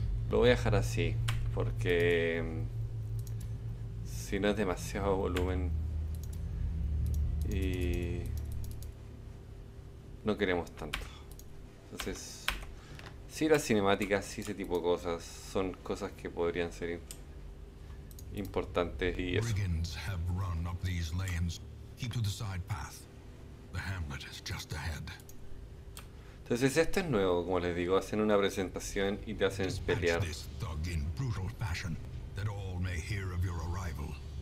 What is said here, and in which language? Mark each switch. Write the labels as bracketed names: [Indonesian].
[Spanish] Lo voy a dejar así, porque... si no es demasiado volumen y no queremos tanto. Entonces, si las cinemáticas y ese tipo de cosas son cosas que podrían ser importantes y eso. [English] Brigands have run up these lanes. Keep to the side path. The hamlet is just ahead. [Spanish] Entonces, esto es nuevo, como les digo, hacen una presentación y te hacen pelear. [English] Dispatch this thug in brutal fashion that all may hear of your arrival.